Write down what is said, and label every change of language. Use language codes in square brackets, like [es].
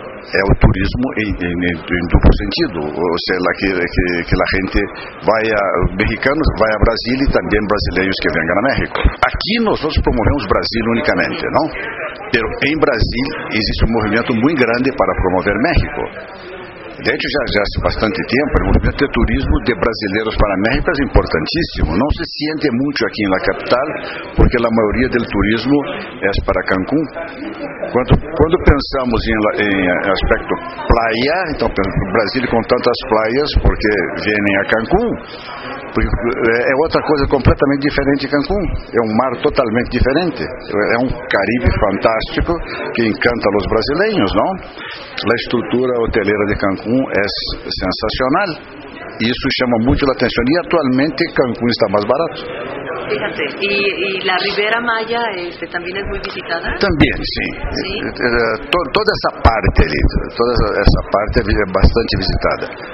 [pt] É o turismo em duplo sentido, ou seja, que a gente vai, mexicanos vai a Brasil e também brasileiros que vêm a México. Aqui nós promovemos Brasil unicamente, não? Pero em Brasil existe movimento muito grande para promover México. [es] De hecho, já hace bastante tiempo, el movimiento de turismo de brasileiros para México es importantísimo. No se siente mucho aquí en la capital, porque la mayoría del turismo es para Cancún. Cuando pensamos en aspecto playa, entonces Brasil con tantas playas, porque vienen a Cancún, porque es otra cosa completamente diferente de Cancún. Es un mar totalmente diferente. Es un Caribe fantástico que encanta a los brasileños, ¿no? La estructura hotelera de Cancún [pt] é sensacional. Isso chama muito a atenção. E atualmente Cancún está mais barato. Fíjate, e a Riviera Maya também é muito visitada? Também, sim. Toda essa parte ali, toda essa parte é bastante visitada.